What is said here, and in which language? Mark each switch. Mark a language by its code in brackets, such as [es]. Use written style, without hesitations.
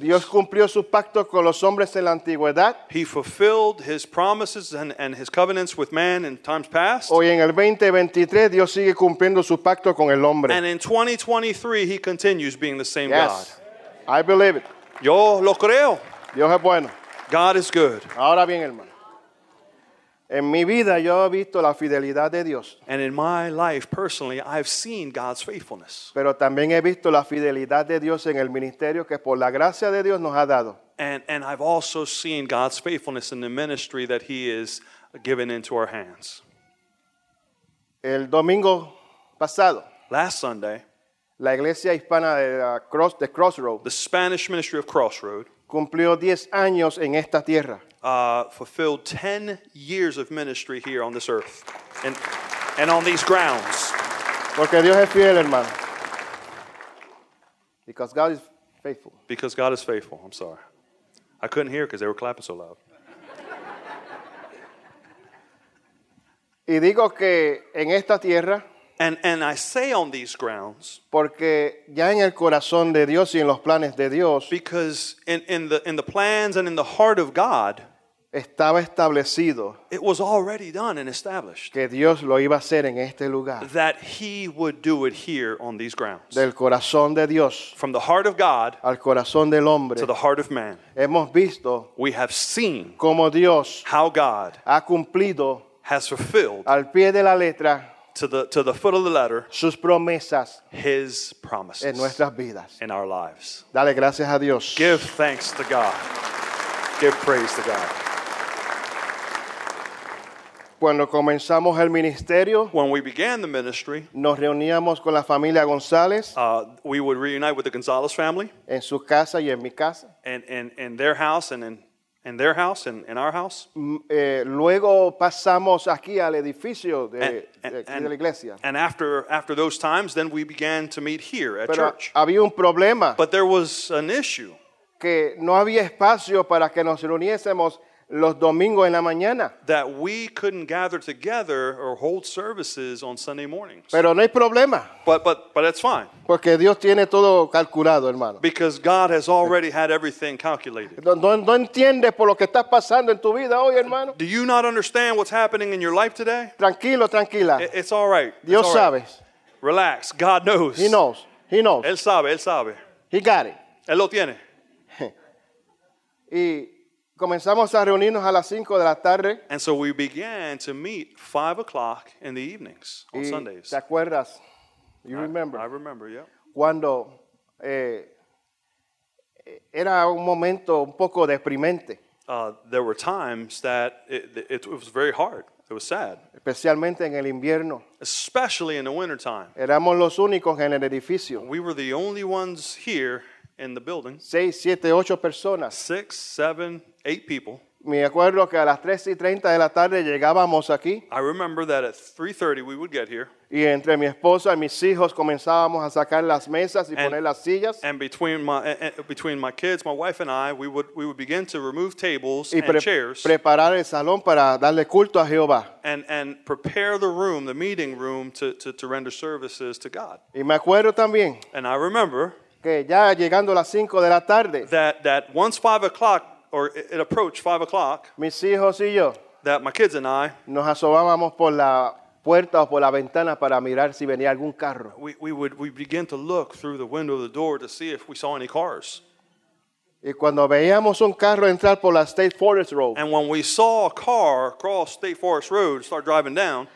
[es] Dios cumplió su pacto con los hombres en la antigüedad. [en] He fulfilled His promises and His covenants with man in times past. [es] Hoy en el 2023 Dios sigue cumpliendo su pacto con el hombre. [en] And in 2023 He continues being the same yes. God. I believe it. [es] Yo lo creo. Dios es bueno. [en] God is good. [es] Ahora bien, hermano. En mi vida yo he visto la fidelidad de Dios. [en] And in my life personally, I've seen God's faithfulness. [es] Pero también he visto la fidelidad de Dios en el ministerio que por la gracia de Dios nos ha dado. [en] And I've also seen God's faithfulness in the ministry that He has given into our hands. [es] El domingo pasado, [en] last Sunday, [es] la iglesia hispana de Crossroad, [en] the Spanish ministry of Crossroad, [es] cumplió 10 años en esta tierra. [en] Fulfilled 10 years of ministry here on this earth and on these grounds. [es] Porque Dios es fiel, hermano. [en] Because God is faithful. Because God is faithful. I'm sorry. I couldn't hear because they were clapping so loud. [es] Y digo que en esta tierra. [en] And I say on these grounds, [es] porque ya en el corazón de Dios y en los planes de Dios, [en] because in the plans and in the heart of God, [es] estaba establecido. [en] It was already done and established. [es] Que Dios lo iba a hacer en este lugar. [en] That he would do it here on these grounds. [es] Del corazón de Dios. [en] From the heart of God. [es] Al corazón del hombre. [en] To the heart of man. [es] Hemos visto. [en] We have seen. [es] Como Dios. [en] How God. [es] Ha cumplido. [en] Has fulfilled. [es] Al pie de la letra. [en] To the foot of the letter. [es] Sus promesas. [en] His promises. [es] En nuestras vidas. [en] In our lives. [es] Dale gracias a Dios. [en] Give thanks to God. Give praise to God. [es] Cuando comenzamos el ministerio, [en] when we began the ministry, [es] nos reuníamos con la familia González. [en] We would reunite with the Gonzalez family. [es] En su casa y en mi casa. [en] In their house and in their house and in our house. [es] Luego pasamos aquí al edificio de la iglesia. [en] And after those times, then we began to meet here at [es] Pero [en] church. [es] Había un problema. [en] But there was an issue. [es] Que no había espacio para que nos reuniésemos. Los domingos en la mañana. [en] That we couldn't gather together or hold services on Sunday mornings. [es] Pero no hay problema. [en] But it's fine. [es] Porque Dios tiene todo calculado, hermano. [en] Because God has already had everything calculated. [es] No entiendes por lo que está pasando en tu vida hoy, hermano. [en] Do you not understand what's happening in your life today? [es] Tranquilo, tranquila. [en] It's all right. [es] Dios sabe. [en] Relax. God knows. He knows. He knows. [es] Él sabe. [en] He got it. [es] Él lo tiene. Y comenzamos a reunirnos a las 5 de la tarde. [en] And so we began to meet 5 o'clock in the evenings on [es] y [en] Sundays. [es] ¿Te acuerdas? [en] You remember. I remember, yeah. [es] Cuando era un momento un poco deprimente. [en] There were times that it was very hard. It was sad. [es] Especialmente en el invierno. [en] Especially in the winter time. [es] Éramos los únicos en el edificio. [en] We were the only ones here in the building. [es] 6, 7, 8 personas. [en] 6, 7, 8 people. [es] Me acuerdo que a las 3:30 de la tarde llegábamos aquí. [en] I remember that at 3:30 we would get here. [es] Y entre mi esposa y mis hijos comenzábamos a sacar las mesas y poner las sillas. [en] And between my kids, my wife and I, we would begin to remove tables and chairs. [es] Preparar el salón para darle culto a Jehová. [en] And prepare the room, the meeting room, to render services to God. [es] Y me acuerdo también. [en] And I remember [es] que ya llegando a las 5 de la tarde, [en] that once 5 o'clock, or it approached 5 o'clock, [es] mis hijos y yo, [en] that my kids and I, [es] nos asomábamos por la puerta o por la ventana para mirar si venía algún carro. [en] We begin to look through the window of the door to see if we saw any cars. [es] Y cuando veíamos un carro entrar por la State Forest Road, [en] and when we saw a car cross State Forest Road start driving down,